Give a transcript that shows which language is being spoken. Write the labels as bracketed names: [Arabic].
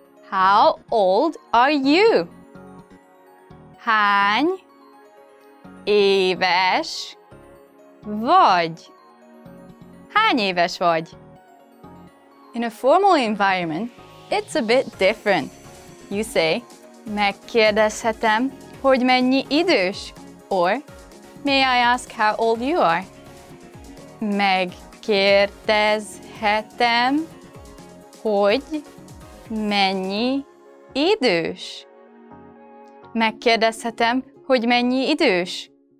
[English] How old are you? [Hungarian] Hány éves vagy? Hány éves vagy? [English] In a formal environment, it's a bit different. You say, [Hungarian] Megkérdezhetem, hogy mennyi idős? [English] Or, may I ask how old you are? [Hungarian] Megkérdezhetem, hogy mennyi idős? Megkérdezhetem, hogy mennyi idős?